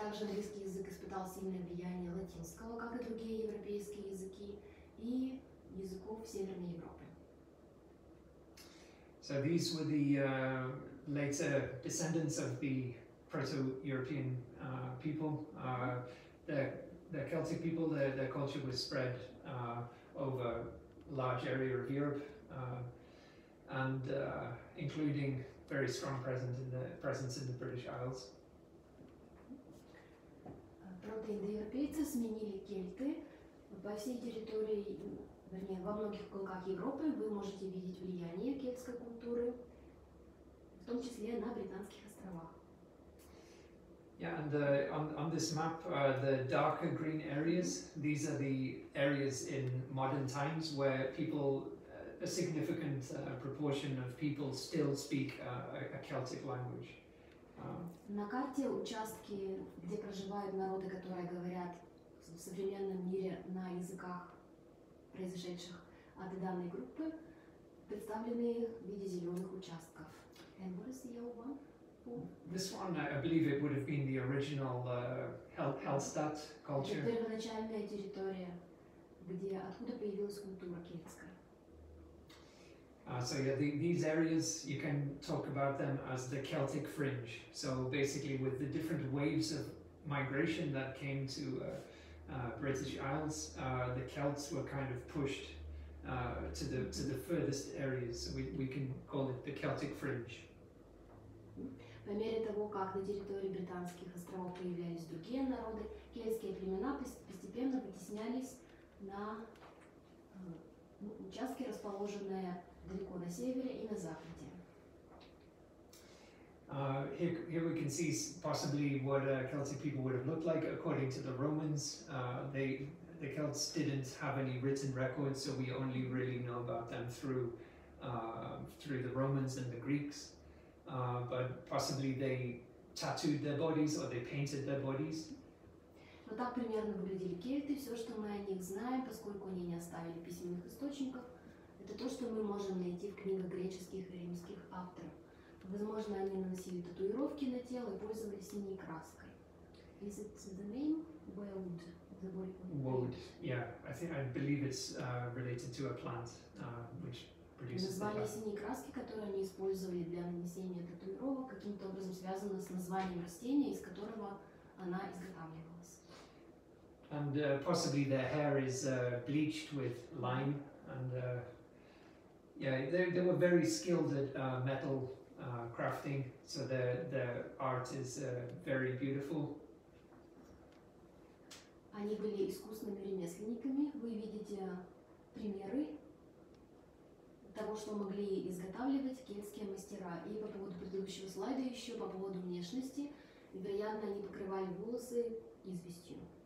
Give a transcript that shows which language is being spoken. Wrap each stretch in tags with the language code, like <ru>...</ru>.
<ru>Также английский язык испытал сильное влияние латинского, как и другие европейские языки и языков Северной Европы.</ru> <en>So these were the later descendants of the Proto-European people. The Celtic people, their culture was spread over a large area of Europe, and including very strong presence in the British Isles.</en> <ru>Протоиндоевропейцы сменили кельты по всей территории, вернее, во многих уголках Европы вы можете видеть влияние кельтской культуры, в том числе на Британских островах.</ru> <en>Yeah, and on this map, the darker green areas, these are the areas in modern times where people, a significant proportion of people still speak a Celtic language.</en> <ru>На карте участки, где проживают народы, которые говорят в современном мире на языках, произошедших от данной группы, представлены в виде зеленых участков.</ru> <en>And what is the yellow one? This one, I believe it would have been the original Hallstatt culture.</en> <ru>Первоначальная территория, где откуда появилась культура кельтская.</ru> <en>So yeah, these areas, you can talk about them as the Celtic fringe. So basically with the different waves of migration that came to British Isles, the Celts were kind of pushed to the furthest areas. So we can call it the Celtic fringe.</en> <ru>По мере того, как на территории Британских островов появлялись другие народы, кельтские племена постепенно вытеснялись на участки, расположенные далеко на севере и на западе.</ru> <en>Here we can see possibly what Celtic people would have looked like according to the Romans. The Celts didn't have any written records, so we only really know about them through the Romans and the Greeks. But possibly they tattooed their bodies or they painted their bodies.</en> <ru>Но так примерно выглядели кельты. Все, что мы о них знаем, поскольку они не оставили письменных источников, это то, что мы можем найти в книгах греческих и римских авторов. Возможно, они наносили татуировки на тело и пользовались синей краской.</ru> <en>Is it the name Wood? The body Wood. Yeah, I believe it's related to a plant, which.</en> <ru>Название синей краски, которую они использовали для нанесения татуировок, каким-то образом связано с названием растения, из которого она изготавливалась.</ru> <en>And possibly their hair is bleached with lime, and they were very skilled at metal crafting, so their art is very beautiful.</en> <ru>Они были искусными ремесленниками. Вы видите примеры того, что могли изготавливать кельтские мастера. И по поводу предыдущего слайда еще, по поводу внешности, вероятно, они покрывали волосы известью.</ru>